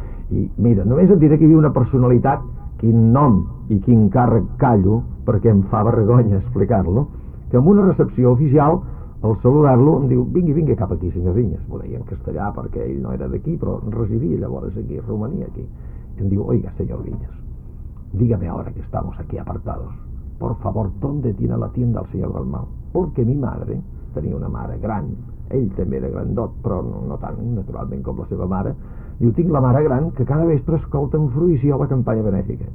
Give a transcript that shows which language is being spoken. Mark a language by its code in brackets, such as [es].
[ca] I mira, només et diré que hi havia una personalitat, quin nom i quin càrrec callo perquè em fa vergonya explicar-lo, que en una recepció oficial al saludar-lo em diu, vingui cap aquí, senyor Vinyes. M'ho deia en castellà perquè ell no era d'aquí, però residia llavors aquí, Romania, aquí. I em diu, [es] oiga, senyor Vinyes, dígame ahora que estamos aquí apartados, por favor, ¿dónde tiene la tienda el señor Dalmau? Porque mi madre, [ca] tenia una mare gran, ell també era grandot, però no tan naturalment com la seva mare, diu, tinc la mare gran que cada vespre escolta amb fruïció la campanya benèfica.